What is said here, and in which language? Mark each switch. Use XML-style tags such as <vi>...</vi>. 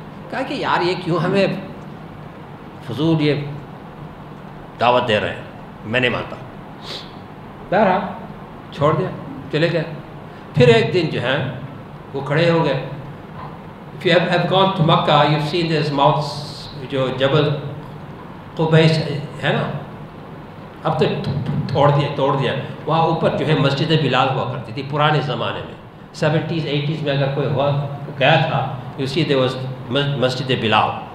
<ur>کہا کہ یار یہ کیوں ہمیں فضول یہ دعوت دے رہے ہیں, میں نہیں مانتا. بہرحال چھوڑ دیا, چلے گئے. پھر ایک دن جو ہے وہ کھڑے ہو گئے.</ur> <en>If you have gone to Makkah, you've seen this mount,</en> <ur>جو جبل قبیس ہے نا, اب تو توڑ دیا. وہاں اوپر جو ہے مسجد بلال ہوا کرتی تھی پرانے زمانے میں, 70s 80s میں اگر کوئی ہوا گیا تھا,</ur> <en>you see they was</en> <ur>Masjid Bilal.</ur>